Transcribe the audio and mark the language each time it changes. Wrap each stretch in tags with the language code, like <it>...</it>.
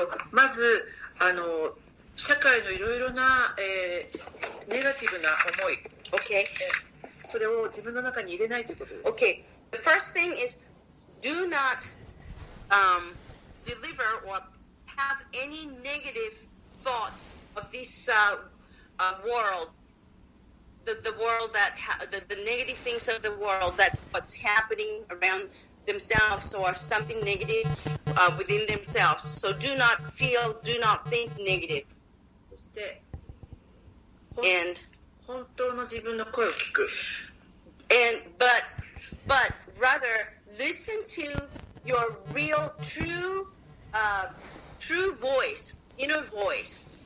<ja>まず社会のいろいろな、ネガティブな思い、</ja> <en>okay.</en> <ja>それを自分の中に入れないということです。</ja> <en>Okay. The first thing is do not deliver or have any negative thoughts of this world. The world that the negative things of the world, that's what's happening around themselves or something negative within themselves. So do not feel, do not think negative. And</en> <ja>本当の自分の声を聞く。</ja> <en>And but rather listen to your real true voice, inner voice.</en>